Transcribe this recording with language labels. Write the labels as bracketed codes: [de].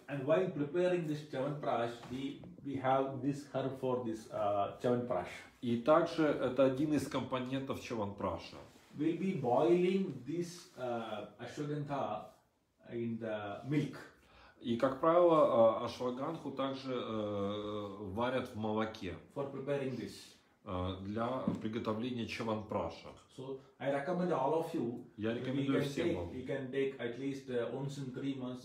[en] And while preparing this chyawanprash, we have this herb for this chyawanprash. [ru] И также это один из компонентов чаванпраша. [en] We'll be boiling this ashwagandha in the milk. [ru] И как правило, ашваганху также варят в молоке. [en] For preparing this. [ru] Для приготовления чаванпраша. [en] So I recommend all of you. [ru] Я рекомендую всем вам. [en] You can take at least once in 3 months.